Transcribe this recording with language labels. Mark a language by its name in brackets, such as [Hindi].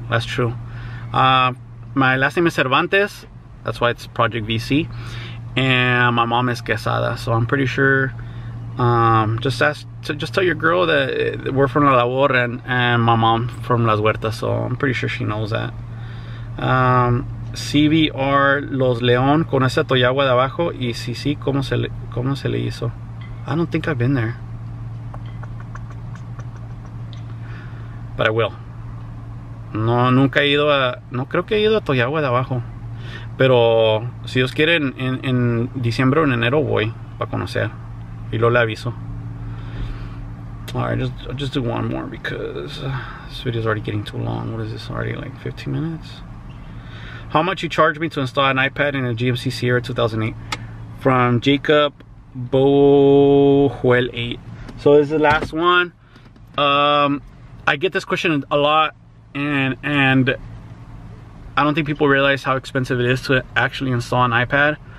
[English] That's true. My last name is Cervantes. That's why it's Project VC. And my mom is Quesada. So I'm pretty sure, just tell your girl that we're from La Labor and my mom from Las Huertas. So I'm pretty sure she knows that. [Spanish] CBR Los León con ese toyagua de abajo y si si como se le hizo. [English] I don't think I've been there, but I will. [Spanish] No, nunca he ido a, no creo que he ido a toyagua de abajo, pero si Dios quiere en diciembre o en enero voy para conocer y lo le aviso. [English] Alright, I'll just do one more because this video is already getting too long. What is this, already like 15 minutes? How much you charge me to install an iPad in a GMC Sierra 2008? From Jacob Bojuel 8. So this is the last one. I get this question a lot, and I don't think people realize how expensive it is to actually install an iPad.